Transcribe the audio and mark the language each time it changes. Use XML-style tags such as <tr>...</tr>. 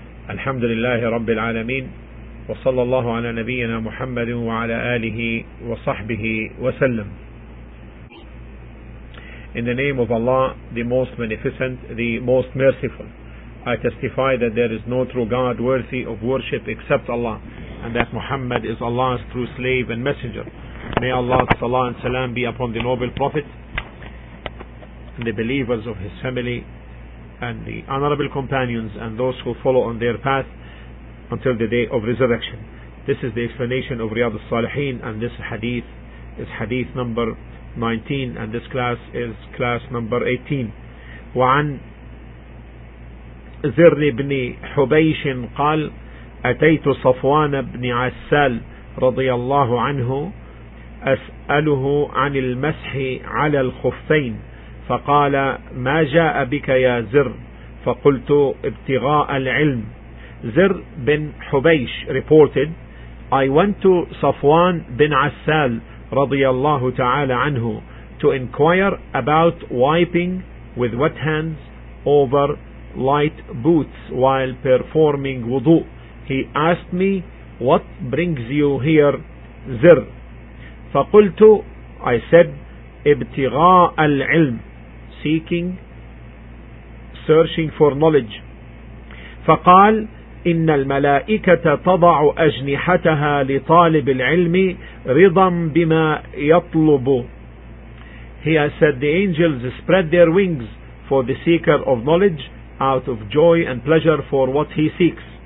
<ar>الحمد لله رب العالمين، وصلى الله على نبينا محمد وعلى آله وصحبه وسلم.</ar> <en>In the name of Allah, the Most Beneficent, the Most Merciful, I testify that there is no true God worthy of worship except Allah, and that Muhammad is Allah's true slave and messenger. May Allah salam and salam be upon the noble Prophet, and the believers of his family, and the honorable companions, and those who follow on their path until the day of resurrection. This is the explanation of Riyad al-Salihin, and this hadith is hadith number 19, and this class is class number 18.</en> <ar>وعن زر بن حبيش قال أتيت صفوان بن عسال رضي الله عنه أسأله عن المسح على الخفين فقال ما جاء بك يا زر فقلت ابتغاء العلم.</ar> <en>زر بن حبيش reported, I went to صفوان بن عسال</en> <ar>رضي الله تعالى عنه</ar> <en>to inquire about wiping with wet hands over light boots while performing wudu. He asked me, what brings you here, زر؟</en> <ar>فقلت,</ar> <en>I said,</en> <ar>ابتغاء العلم,</ar> <en>seeking, searching for knowledge.</en> <ar>فقال إن الملائكة تضع أجنحتها لطالب العلم رضا بما يطلب.</ar> <en>He has said, the angels spread their wings for the seeker of knowledge out of joy and pleasure for what he seeks.</en>